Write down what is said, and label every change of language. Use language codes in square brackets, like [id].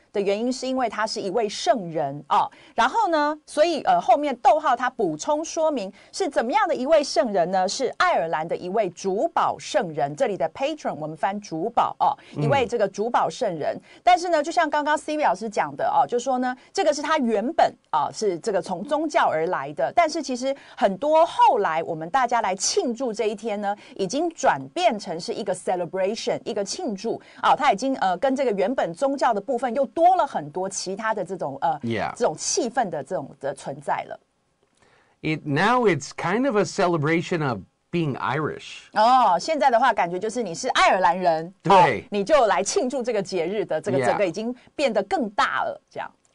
[zh] 的原因是因为他是一位圣人、哦、然后呢所以、后面逗号他补充说明是怎么样的一位圣人呢是爱尔兰的一位主保圣人这里的 patron 我们翻主保、哦、一位这个主保圣人、嗯、但是呢就像刚刚 Stevie 老师讲的、哦、就说呢这个是他原本、哦、是这个从宗教而来的但是其实很多后来我们大家来庆祝这一天呢已经转变成是一个 celebration 一个庆祝、哦、他已经、跟这个原本宗教的部分又多了很多其他的这种、 yeah. 这种气氛的这种的存在了 [en] It, Now it's kind of a celebration of being Irish [zh] 哦、oh, 现在的话感觉就是你是爱尔兰人对、哦、你就来庆祝这个节日的这个整个已经变得更大了、yeah. 这样